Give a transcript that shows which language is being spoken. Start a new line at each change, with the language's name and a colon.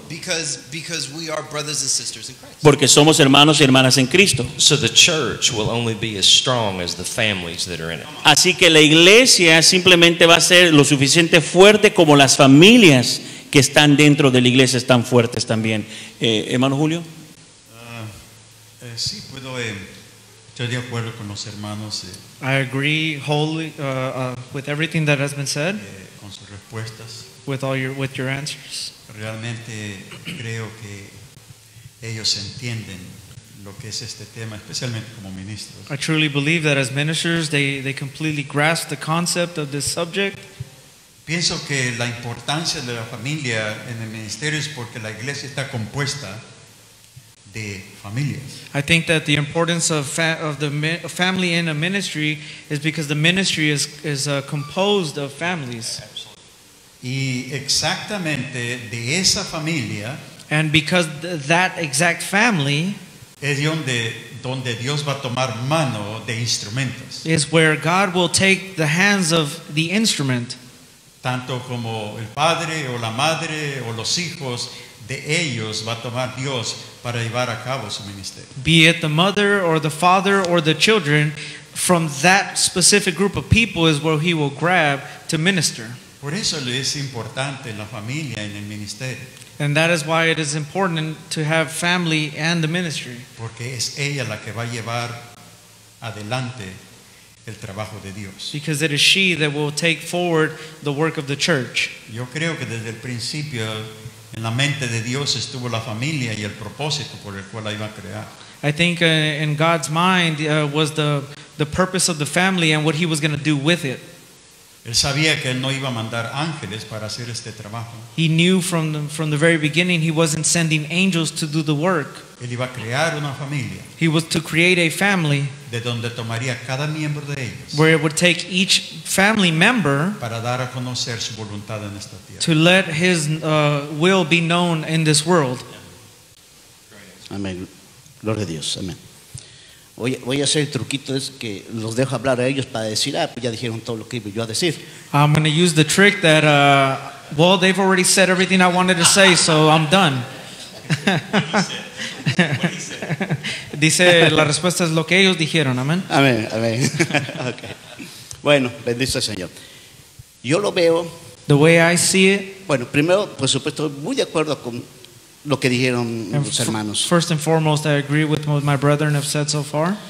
English: Because we are brothers and sisters in Christ.
Spanish: Porque somos hermanos y hermanas en Cristo.
English: So the church will only be as strong as the families that are in it.
Spanish: Así que la iglesia simplemente va a ser lo suficiente fuerte como las familias que están dentro de la iglesia están fuertes también. Hermano Julio. Sí, puedo estar de acuerdo con los hermanos.
English: I agree wholly with everything that has been said.
Spanish: Con sus respuestas.
English: With your answers.
Spanish: Realmente creo que ellos entienden lo que es este tema, especialmente como ministros.
English: I truly believe that as ministers, they completely grasp the concept of this subject.
Spanish: Pienso que la importancia de la familia en el ministerio es porque la iglesia está compuesta de familias.
English: I think that the importance of the family in a ministry is because the ministry is composed of families.
Spanish: Y exactamente de esa familia,
English: and because that exact family
Spanish: es donde Dios va a tomar mano de instrumentos,
English: is where God will take the hands of the instrument,
Spanish: tanto como el padre o la madre o los hijos de ellos va a tomar Dios para llevar a cabo su ministerio.
English: Be it the mother or the father or the children, from that specific group of people is where he will grab to minister.
Spanish: Por eso le es importante la familia en el ministerio.
English: And that is why it is important to have family and the ministry.
Spanish: Porque es ella la que va a llevar adelante el trabajo de Dios.
English: Because it is she that will take forward the work of the church.
Spanish: Yo creo que desde el principio en la mente de Dios estuvo la familia y el propósito por el cual la iba a crear.
English: I think in God's mind was the purpose of the family and what he was going to do with it.
Spanish: Él sabía que él no iba a mandar ángeles para hacer este trabajo.
English: He knew from the very beginning he wasn't sending angels to do the work.
Spanish: Él iba a crear una familia.
English: He was to create a family.
Spanish: De donde tomaría cada miembro de ellos.
English: Where it would take each family member.
Spanish: Para dar a conocer su voluntad en esta tierra.
English: To let his will be known in this world.
Spanish: Amén. Gloria a Dios. Amén. Voy a hacer el truquito es que los dejo hablar a ellos para decir, pues ya dijeron todo lo que iba yo a decir.
English: I'm going to use the trick that, they've already said everything I wanted to say, so I'm done. What he said.
Spanish: Dice, la respuesta es lo que ellos dijeron, amén. Amén, amén. Okay. Bueno, bendito el Señor. Yo lo veo.
English: The way I see it.
Spanish: Bueno, primero, por supuesto, muy de acuerdo con lo que dijeron los hermanos.
English: First and foremost, I agree with what my brethren have said so far.